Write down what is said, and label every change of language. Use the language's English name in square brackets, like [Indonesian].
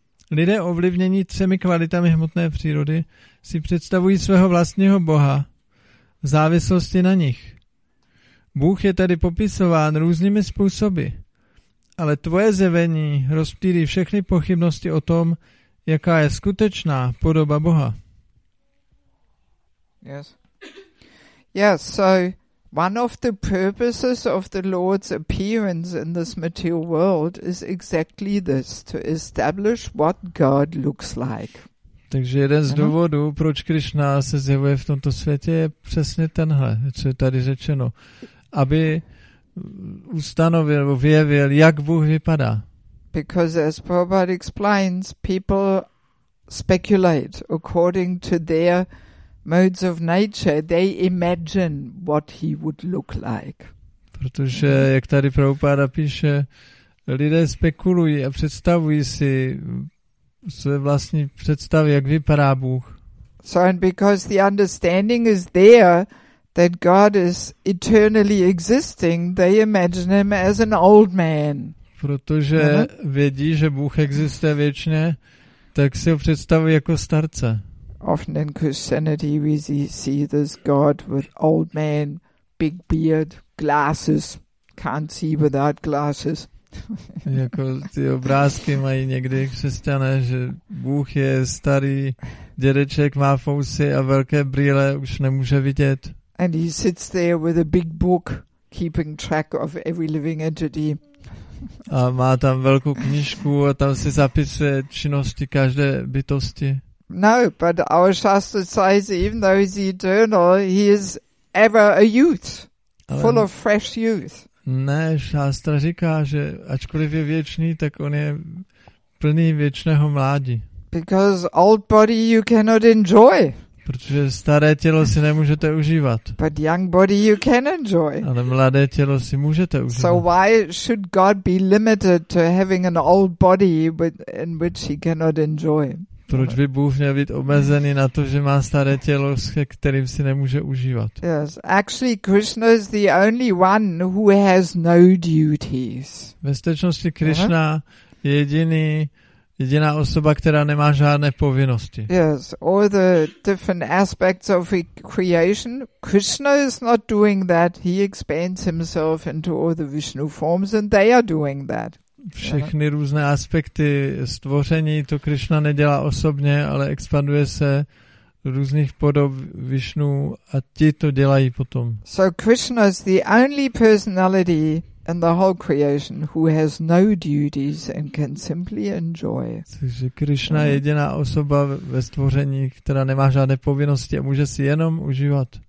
[Czech] Lidé ovlivnění třemi kvalitami hmotné přírody si představují svého vlastního boha v závislosti na nich. Bůh je tady popisován různými způsoby, ale tvoje zjevení rozptýlí všechny pochybnosti o tom, jaká je skutečná podoba Boha. [English] Yes. Yeah, so one of the purposes of the Lord's appearance in this material world is exactly this, to establish what God looks like. [Czech] Takže jeden z důvodů, proč Krišna se zjevuje v tomto světě, je přesně tenhle, co je tady řečeno. Aby ustanovil, vyjevil, jak Bůh vypadá. [English] Because as Prabhupada explains, people speculate according to their modes of nature, they imagine what he would look like. [Czech] Protože, jak tady Prabhupada píše, lidé spekulují a představují si své vlastní představy, jak vypadá Bůh. [English] So and because the understanding is there that God is eternally existing, they imagine him as an old man. [Czech] Protože vědí, že Bůh existuje věčně, tak si ho představují jako starce. [English] Often in Christianity we see this God with old man, big beard, glasses, can't see without glasses. [Czech] Jako ty obrázky mají někdy křesťané, že Bůh je starý, dědeček má fousy a velké brýle, už nemůže vidět. [English] And he sits there with a big book, keeping track of every living entity. [Czech] A má tam velkou knížku a tam si zapisuje činnosti každé bytosti. [English] No, but our Shastra says, even though he's eternal, he is ever a youth, ale full of fresh youth. [Czech] Ne, Shastra říká, že ačkoliv je věčný, tak on je plný věčného mládí. [English] Because old body you cannot enjoy. [Czech] Protože staré tělo si nemůžete užívat. [English] But young body you can enjoy. [Czech] Ale mladé tělo si můžete užívat. [English] So why should God be limited to having an old body in which he cannot enjoy? [Czech] Proč by Bůh měl být omezený na to, že má staré tělo, se kterým si nemůže užívat? [English] Yes, actually Krishna is the only one who has no duties. [Czech] Ve skutečnosti Krishna je jediná osoba, která nemá žádné povinnosti. [English] Yes, all the different aspects of creation, Krishna is not doing that. He expands himself into all the Vishnu forms and they are doing that. [Czech] Všechny různé aspekty stvoření to Krišna nedělá osobně, ale expanduje se do různých podob Višnu a ti to dělají potom. [English] So Krishna is the only personality in the whole creation who has no duties and can simply enjoy. [Czech] Takže Krišna je jediná osoba ve stvoření, která nemá žádné povinnosti a může si jenom užívat.